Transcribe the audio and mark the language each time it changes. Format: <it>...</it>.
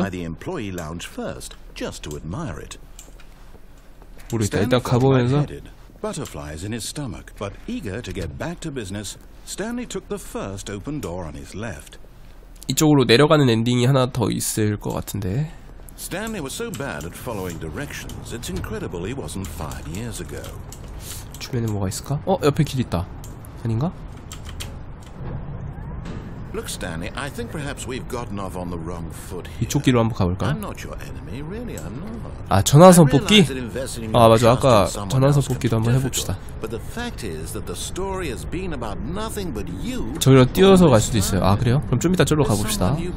<en>By the employee lounge first, just to admire it.</en> <ko>모르겠다. 일단 가보면서.</ko> <en>Butterflies in his stomach, but eager to get back to business, Stanley took the first open door on his left.</en> <ko>이쪽으로 내려가는 엔딩이 하나 더 있을 것 같은데.</ko> <en>Stanley was so bad at following directions. It's incredible he wasn't 5 years ago.</en> <ko>주변에 뭐가 있을까? 어, 옆에 길 있다. 아닌가?</ko> <en>Look, Stanley, I think perhaps we've gotten off on the wrong foot here.</en> <ko>이쪽 길로 한번 가볼까?</ko> <en>I'm not your enemy, really, I'm not.</en> <ko>아, 전화선 뽑기? 아, 맞아. 아까 전화선 뽑기도 한번 해봅시다.</ko> <en>But the fact is that the story has been about nothing but you.</en> <ko>저기로 뛰어서 갈 수도 있어요. 아, 그래요? 그럼 좀 이따 저기로 가봅시다.</ko>